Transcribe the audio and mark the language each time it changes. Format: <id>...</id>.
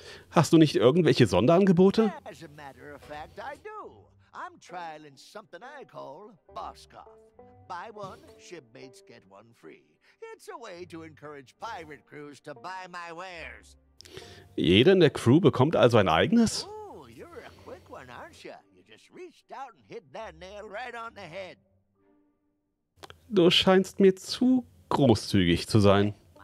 <de>Hast du nicht irgendwelche Sonderangebote?</de> <en>As a matter of fact, I do. I'm trialing something I call Boscoff. Buy one, shipmates get one free. It's a way to encourage pirate crews to buy my wares.</en> <de>Jeder in der Crew bekommt also ein eigenes?</de> <en>Oh, you're a quick one, aren't you? You just reached out and hit that nail right on the head.</en> <de>Du scheinst mir zu großzügig zu sein.</de>